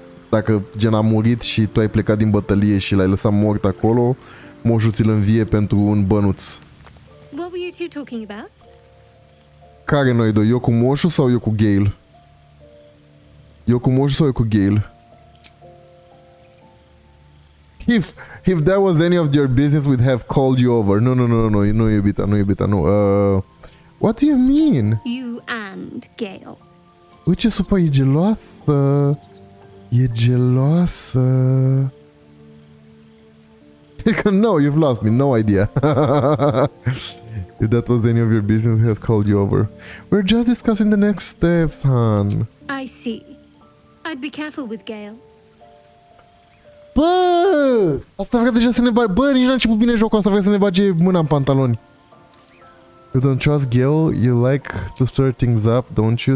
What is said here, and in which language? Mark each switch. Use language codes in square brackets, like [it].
[ro] Dacă gen a murit și tu ai plecat din bătălie și l-ai lăsat mort acolo, moșul ți-l învie pentru un bănuț. [en] What were you two talking about? [ro] Care noi doi? Eu cu moșul sau eu cu Gale? Eu cu moșul sau eu cu Gale? [en] If that was any of your business, we'd have called you over. [ro] No, iubita, nu, iubita, nu. [en] What do you mean? You and Gale. [ro] Ui, ce supă, e geloasă. E geloasă. [en] No, you've lost me. No idea. If that was any of your business, we'd have called you over. We're just discussing the next steps, hon. I see. I'd be careful with Gale. [ro] Bă! Asta vrea deja să ne bagi... Bă, nici n-a început bine jocul, asta vrea să ne bage mâna în pantaloni. [en] You don't trust Gil? You like to stir things up, don't you?